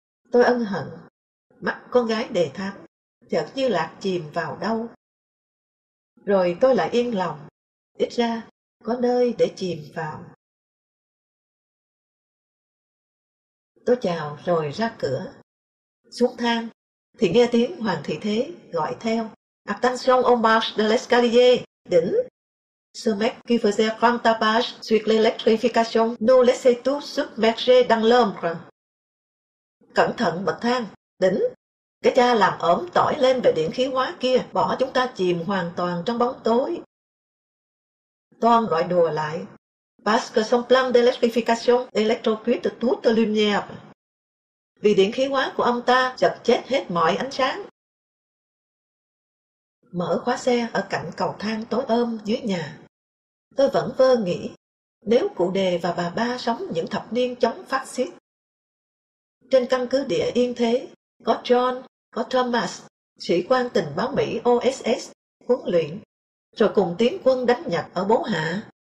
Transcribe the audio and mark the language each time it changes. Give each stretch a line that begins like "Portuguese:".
Vietnamese: Tôi ân hận, mắt con gái đề thám, chợt như lạc chìm vào đâu. Rồi tôi lại yên lòng, ít ra có nơi để chìm vào. Tôi chào rồi ra cửa. Xuống thang, thì nghe tiếng Hoàng Thị Thế gọi theo.
French: Attention au marche de l'escalier, Đĩnh. Ce mec qui faisait grand tapage sur l'électrification nous laissait tous submergés dans l'ombre.
Vietnamese: Cẩn thận bậc thang, Đĩnh. Cái cha làm ổm tỏi lên về điện khí hóa kia, bỏ chúng ta chìm hoàn toàn trong bóng tối. Toan gọi đùa lại.
French: Parce que son plan d'électrification électrocute toute lumière.
Vietnamese: Vì điện khí hóa của ông ta dập chết hết mọi ánh sáng. Mở khóa xe ở cạnh cầu thang tối om dưới nhà. Tôi vẫn vơ nghĩ, nếu cụ Đề và bà ba sống những thập niên chống phát xít. Trên căn cứ địa yên thế, có John, có Thomas, sĩ quan tình báo Mỹ OSS, huấn luyện, rồi cùng tiến quân đánh Nhật ở Bố Hạ.